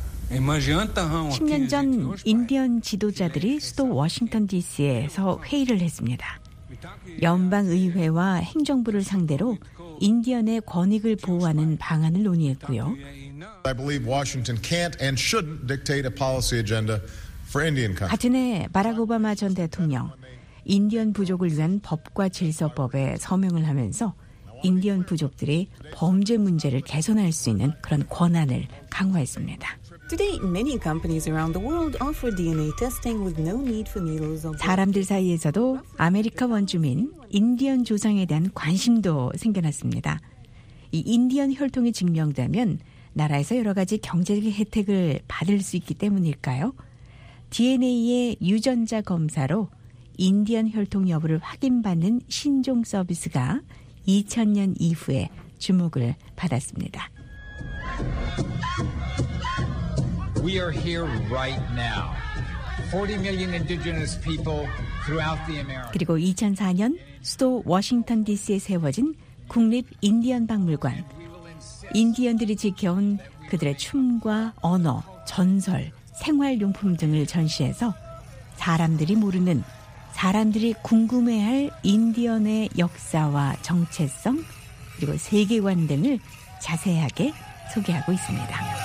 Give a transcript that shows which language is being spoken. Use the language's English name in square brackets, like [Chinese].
[Korean] 10년 전 인디언 지도자들이 수도 워싱턴 DC에서 회의를 했습니다. 연방의회와 행정부를 상대로 인디언의 권익을 보호하는 방안을 논의했고요. [English] I believe Washington can't and shouldn't dictate a policy agenda for Indian country. [Korean] 같은 해 바락 오바마 전 대통령 인디언 부족을 위한 법과 질서법에 서명을 하면서 인디언 부족들이 범죄 문제를 개선할 수 있는 그런 권한을 강화했습니다. [English] Today, many companies around the world offer DNA testing with no need for needles. [Korean] 사람들 사이에서도 아메리카 원주민, 인디언 조상에 대한 관심도 생겨났습니다. 이 인디언 혈통이 증명되면 나라에서 여러 가지 경제적 혜택을 받을 수 있기 때문일까요? DNA의 유전자 검사로 인디언 혈통 여부를 확인받는 신종 서비스가 2000년 이후에 주목을 받았습니다. [English] We are here right now. 40 million indigenous people throughout the America. [Korean] 그리고 2004년 수도 워싱턴 DC에 세워진 국립 인디언 박물관. 인디언들이 지켜온 그들의 춤과 언어, 전설, 생활용품 등을 전시해서 사람들이 모르는, 사람들이 궁금해할 인디언의 역사와 정체성, 그리고 세계관 등을 자세하게 소개하고 있습니다.